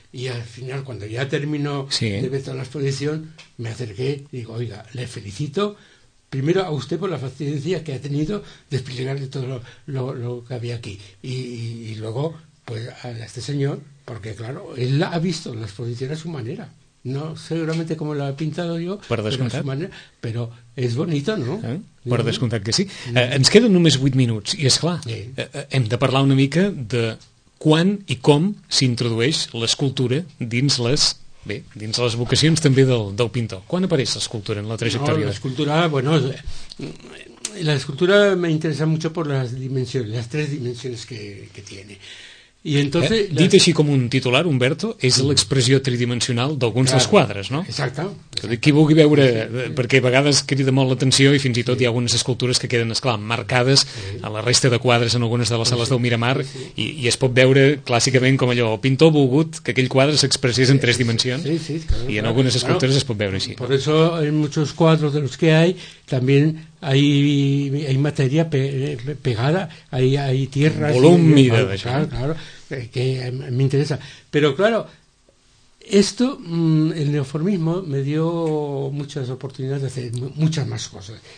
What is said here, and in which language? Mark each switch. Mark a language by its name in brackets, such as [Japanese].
[Spanish] Y al final, cuando ya terminó de ver toda la exposición, me acerqué y digo, oiga, le felicito primero a usted por la paciencia que ha tenido de explicarle todo lo que había aquí. Y luego, pues a este señor, porque claro, él ha visto la exposición a su manera. No seguramente como la he pintado yo, pero [Catalan] és bonita, no? Per descomptat que sí. Ens queden només 8 minuts, i és clar, hem de parlar una mica de quan i com s'introdueix l'escultura dins les, bé, dins les vocacions també del pintor. Quan apareix l'escultura en la trajectòria? No, l'escultura, [Spanish] bueno, [Catalan] l'escultura m'interessa [Spanish] mucho por las dimensiones, las tres dimensiones que tiene. Y entonces, [Catalan] dit així com un titular, Humberto, és l'expressió tridimensional d'alguns dels quadres, no? Exacte. Qui vulgui veure, perquè a vegades crida molt l'atenció i fins i tot hi ha algunes escultures que queden, esclar, marcades a la resta de quadres en algunes de les sales del Miramar i es pot veure clàssicament com allò, el pintor volgut que aquell quadre s'expressés en tres dimensions sí, i en algunes escultures es pot veure així. [Spanish] Por eso en muchos cuadros de los que hay también hay materia pegada, hay tierra volúmida, claro, que me interesa. Pero claro, esto, el neoformismo, me dio muchas oportunidades de hacer muchas más cosas.